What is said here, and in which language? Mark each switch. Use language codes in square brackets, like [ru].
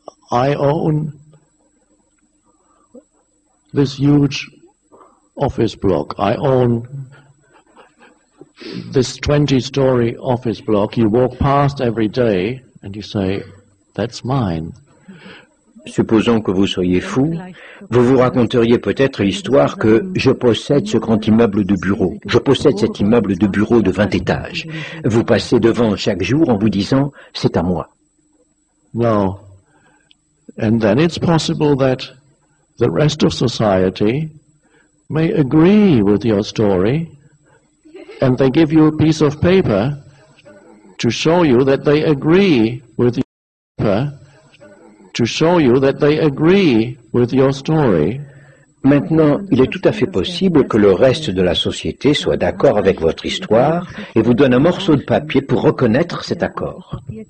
[en] I own this huge office block. I own this 20-story office block. You walk past every day and you say, that's mine. [fr] Supposons que vous soyez fou, vous vous raconteriez peut-être l'histoire que je possède ce grand immeuble de bureau. Je possède cet immeuble de bureau de 20 étages. Vous passez devant chaque jour en vous disant, c'est à moi. [en] No. And then it's possible that the rest of society may agree with your story and they give you a piece of paper to show you that they agree with your paper. To show you that they agree with your story. [fr] Maintenant, il est tout à fait possible que le reste de la société soit d'accord avec votre histoire et vous donne un morceau de papier pour reconnaître cet accord.